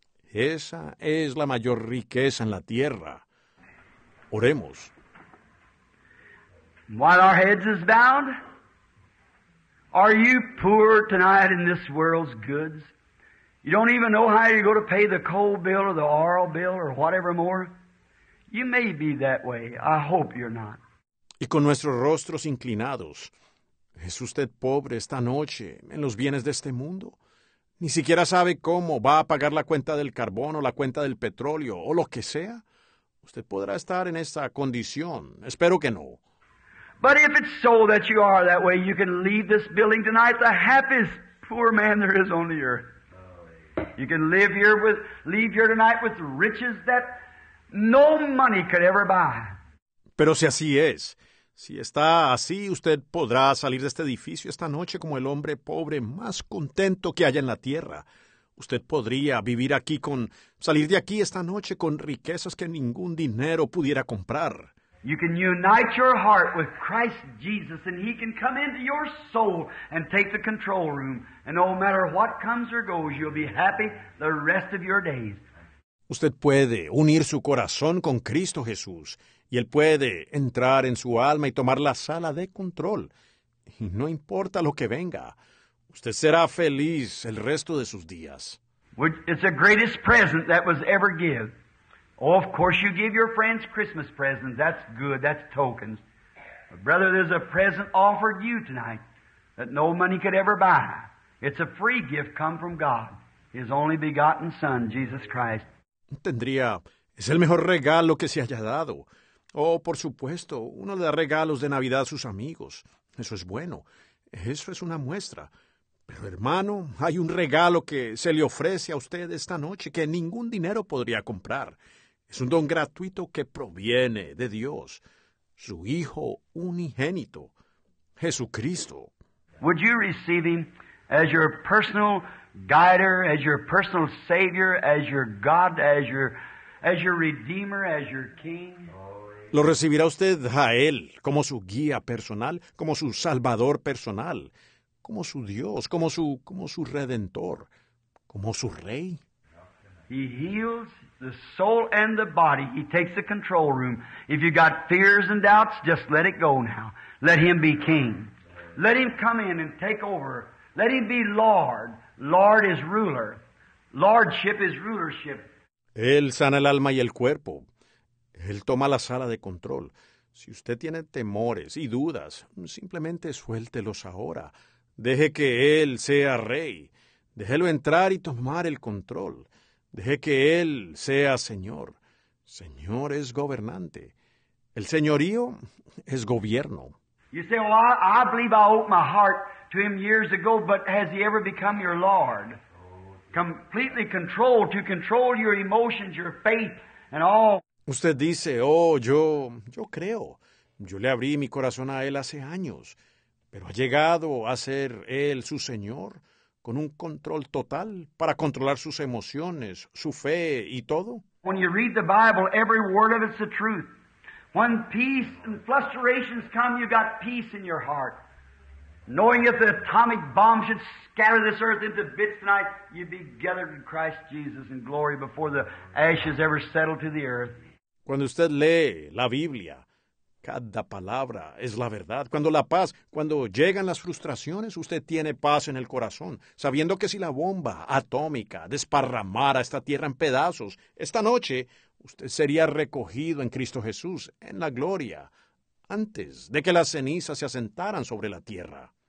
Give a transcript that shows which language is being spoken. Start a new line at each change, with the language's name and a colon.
Spanish: Esa es la mayor riqueza en la tierra. Oremos.
English: While our heads is bound, are you poor tonight in this world's goods? You don't even know how you're going to pay the coal bill or the oil bill or whatever more. You may be that way. I hope you're not.
Spanish: Y con nuestros rostros inclinados, ¿es usted pobre esta noche en los bienes de este mundo? ¿Ni siquiera sabe cómo va a pagar la cuenta del carbón o la cuenta del petróleo o lo que sea? ¿Usted podrá estar en esa condición? Espero que no.
English: But if it's so that you are that way, you can leave this building tonight, the happiest poor man there is on the earth. You can leave here tonight with riches that no money could ever buy.
Spanish: Pero si así es, si está así, usted podrá salir de este edificio esta noche como el hombre pobre más contento que haya en la tierra. Usted podría vivir aquí salir de aquí esta noche con riquezas que ningún dinero pudiera comprar.
English: You can unite your heart with Christ Jesus and he can come into your soul and take the control room. And no matter what comes or goes, you'll be happy the rest of your days.
Spanish: Usted puede unir su corazón con Cristo Jesús y él puede entrar en su alma y tomar la sala de control. Y no importa lo que venga, usted será feliz el resto de sus días.
English: It's the greatest present that was ever given. Oh, of course you give your friends Christmas presents. That's good. That's tokens. But brother, there's a present offered you tonight that no money could ever buy. It's a free gift come from God, his only begotten Son, Jesus Christ.
Spanish: Tendría, es el mejor regalo que se haya dado. Oh, por supuesto, uno le da regalos de Navidad a sus amigos. Eso es bueno. Eso es una muestra. Pero, hermano, hay un regalo que se le ofrece a usted esta noche que ningún dinero podría comprar. Es un don gratuito que proviene de Dios, su Hijo unigénito, Jesucristo.
English: Would you receive him as your personal guider, as your personal savior, as your God, as your redeemer, as your king?
Spanish: ¿Lo recibirá usted a él como su guía personal, como su salvador personal, como su Dios, como su redentor, como su rey?
English: He heals the soul and the body. He takes the control room. If you got fears and doubts, just let it go now. Let him be king. Let him come in and take over. Let him be Lord. Lord is ruler. Lordship is rulership.
Spanish: Él sana el alma y el cuerpo. Él toma la sala de control. Si usted tiene temores y dudas, simplemente suéltelos ahora. Deje que él sea rey. Déjelo entrar y tomar el control. Deje que él sea señor. Señor es gobernante. El señorío es gobierno.
English: You say, well, I believe I owed my heart to him years ago, but has he ever become your Lord? Completely controlled, to control your emotions, your faith, and all.
Spanish: Usted dice, oh, yo creo. Yo le abrí mi corazón a él hace años, pero ha llegado a ser él su Señor con un control total para controlar sus emociones, su fe y todo.
English: When you read the Bible, every word of it's the truth. When peace and frustrations come, you got peace in your heart. Knowing if the atomic bomb should scatter this earth into bits tonight, you'd be gathered in Christ Jesus in glory before the ashes ever settled to the earth.
Spanish: Cuando usted lee la Biblia, cada palabra es la verdad. Cuando llegan las frustraciones, usted tiene paz en el corazón, sabiendo que si la bomba atómica desparramara esta tierra en pedazos, esta noche usted sería recogido en Cristo Jesús, en la gloria, antes de que las cenizas se asentaran sobre la tierra.